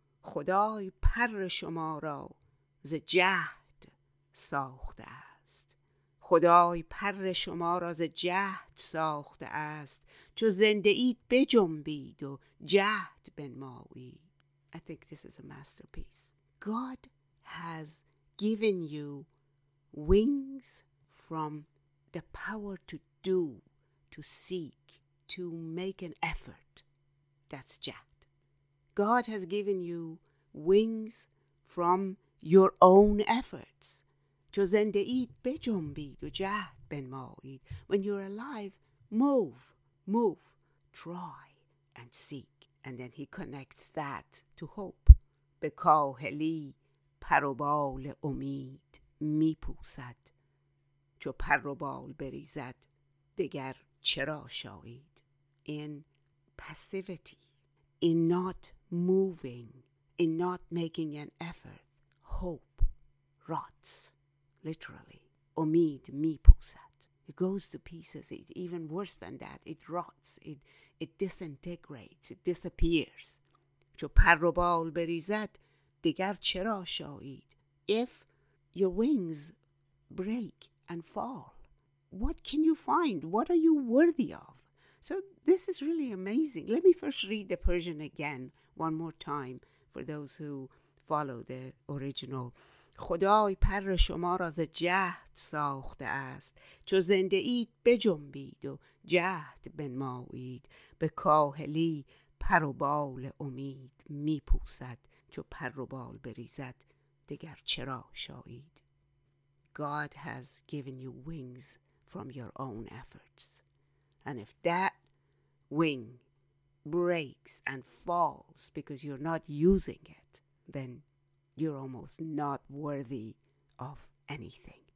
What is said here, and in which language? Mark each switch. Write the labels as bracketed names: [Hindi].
[Persian] خدای پر شما را ز جهد ساخته است. خدای پر شما را ز جهد ساخته است. چو زنده اید بجنبید و جهد بنمایید. [English] I think this is a masterpiece. God has given you wings from the power to do, to seek, to make an effort. That's jihad. God has given you wings from your own efforts. [Persian] چو زنده اید بجنبید و جهد بنمایید. [English] When you're alive, move, try and seek. And then he connects that to hope. [Persian] به کاهلی پر و بال امید می پوسد. چو پر و بال بریزد دگر چرا شایید. [English] In passivity, in not moving, in not making an effort, hope rots, literally. [Persian] Omid mi pusat. [English] It goes to pieces. It even worse than that, it rots. It disintegrates. It disappears. [Persian] چو پر و بال بریزد دیگر چرا شایید. [English] If your wings break and fall, what can you find? What are you worthy of? So this is really amazing. Let me first read the Persian again one more time for those who follow the original. [Persian] خدای پر شما را ز جهد ساخته است. چو زنده اید بجنبید و جهد بنمایید. به کاهلی پر و بال امید می پوسد. چو پر و بال بریزد دگر چرا شایید. [English] God has given you wings from your own efforts. And if that wing breaks and falls because you're not using it, then you're almost not worthy of anything.